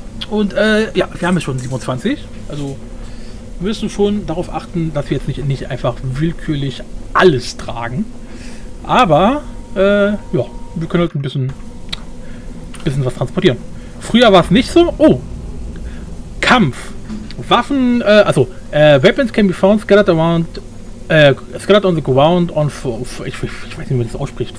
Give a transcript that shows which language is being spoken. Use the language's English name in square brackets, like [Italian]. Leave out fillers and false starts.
[German] Und ja, wir haben jetzt schon 27. Also wir müssen schon darauf achten, dass wir jetzt nicht einfach willkürlich alles tragen. Aber ja, wir können halt ein bisschen was transportieren. Früher war es nicht so. Oh! Kampf! [English] Waffen, Weapons can be found scattered around. Scattered on the ground on [German] ich weiß nicht, wie man das ausspricht.